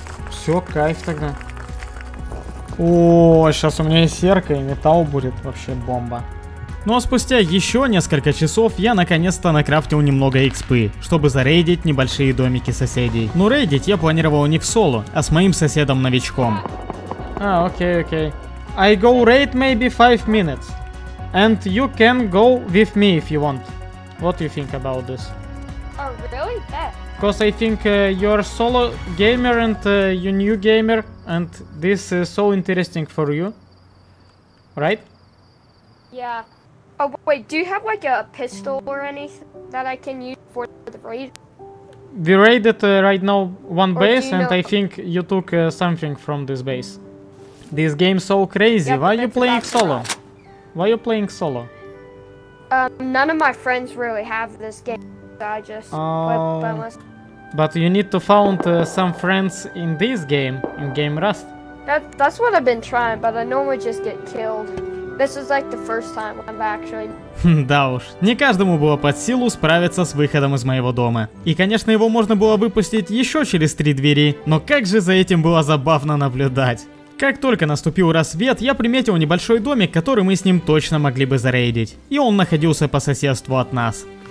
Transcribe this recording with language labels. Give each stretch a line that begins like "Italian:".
Russian: Все, кайф тогда. О, сейчас у меня и серка, и металл будет вообще бомба. Ну а спустя еще несколько часов я наконец-то накрафтил немного экспы, чтобы зарейдить небольшие домики соседей. Но рейдить я планировал не в соло, а с моим соседом-новичком. А, окей, окей.
English: I go raid maybe 5 minutes. And you can go with me if you want. What do you think about this? Oh, really? Because I think you're solo gamer and you new gamer. And this is so interesting for you. Right? Yeah. Oh wait, do you have like a pistol or anything that I can use for the raid? We raided right now one base and I think you took something from this base. This game's so crazy, yeah, why are you playing solo? Why are you playing solo? None of my friends really have this game, so I just But you need to found some friends in this game, in Game Rust. That's what I've been trying, but I normally just get killed. This is like the first time I'm actually.
Russian: Да уж, не каждому было под силу справиться с выходом из моего дома. И конечно его можно было выпустить еще через три двери, но как же за этим было забавно наблюдать. Как только наступил рассвет, я приметил небольшой домик, который мы с ним точно могли бы зарейдить. И он находился по соседству от нас.